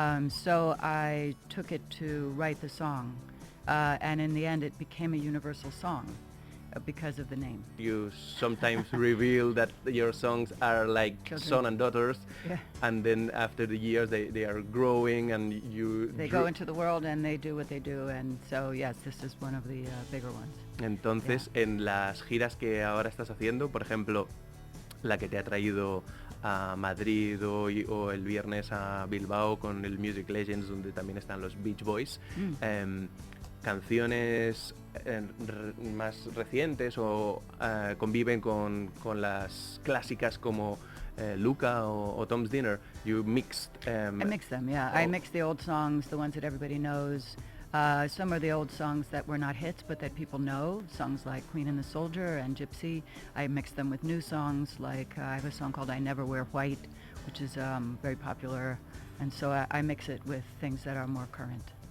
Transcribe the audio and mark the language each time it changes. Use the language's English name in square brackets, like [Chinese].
[English] So I took it to write the song, and in the end it became a universal song because of the name. You sometimes reveal that your songs are like children. Son and daughters, and then after the years they are growing and they go into the world and they do what they do, and so yes, this is one of the bigger ones. [Spanish] Entonces, en las giras que ahora estás haciendo, por ejemplo, la que te ha traído a Madrid hoy o el viernes a Bilbao con el Music Legends, donde también están los Beach Boys, canciones más recientes o conviven con las clásicas como Luca o Tom's Dinner. [English] You mixed I mixed them, yeah. I mixed the old songs, the ones that everybody knows. Some are the old songs that were not hits but that people know, songs like Queen and the Soldier and Gypsy. I mixed them with new songs, like I have a song called I Never Wear White, which is very popular, and so I mix it with things that are more current.